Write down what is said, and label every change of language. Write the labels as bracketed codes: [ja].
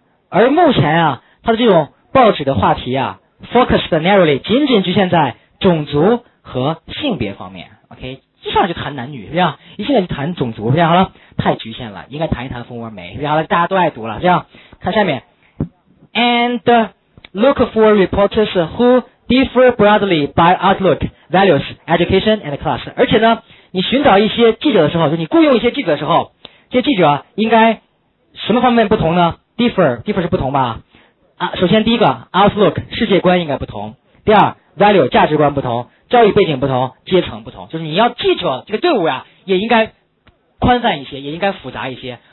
[zh] 而目前啊，它的这种报纸的话题啊 ， [en] focused narrowly， [zh] 仅仅局限在种族和性别方面。 [en] OK， [zh] 一上来就谈男女，是这样，一进来就谈种族，是这样。好了，太局限了，应该谈一谈蜂窝煤，是这样。大家都爱读了，是这样。看下面 [en] ，and look for reporters who。 differ broadly by outlook, values, education, and class. [zh] 而且呢，你寻找一些记者的时候，就你雇佣一些记者的时候，这些记者应该什么方面不同呢 ？differ 是不同吧？首先第一个 outlook 世界观应该不同。第二 value 价值观不同，教育背景不同，阶层不同。就是你要记者这个队伍呀、啊，也应该宽泛一些，也应该复杂一些。